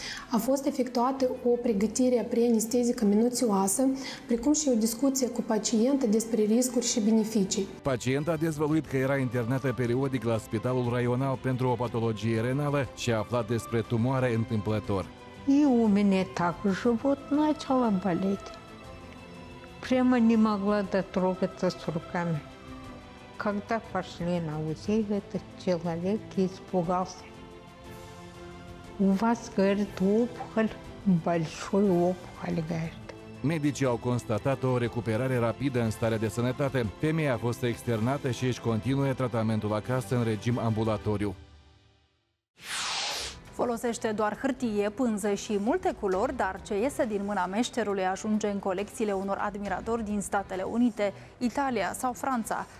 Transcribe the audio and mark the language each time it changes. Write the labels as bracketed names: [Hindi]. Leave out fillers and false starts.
[Romanian] A fost efectuată o pregătire preanestezică minuțioasă, precum și o discuție cu pacienta despre riscuri și beneficii. Pacienta a dezvăluit că era internată periodic la Spitalul Raional pentru o patologie renală și a aflat despre tumoare întâmplător. [Russian] И у меня так живот начал болеть. Прямо не могла дотрогаться с руками. Когда пошли на УЗИ, этот человек испугался. У вас, говорит, опухоль, большой опухоль, говорит. [Romanian] Medicii au constatat o recuperare rapidă în starea de sănătate. Femeia a fost externată și își continuă tratamentul acasă în regim ambulatoriu. Folosește doar hârtie, pânză și multe culori, dar ce iese din mâna meșterului ajunge în colecțiile unor admiratori din Statele Unite, Italia sau Franța.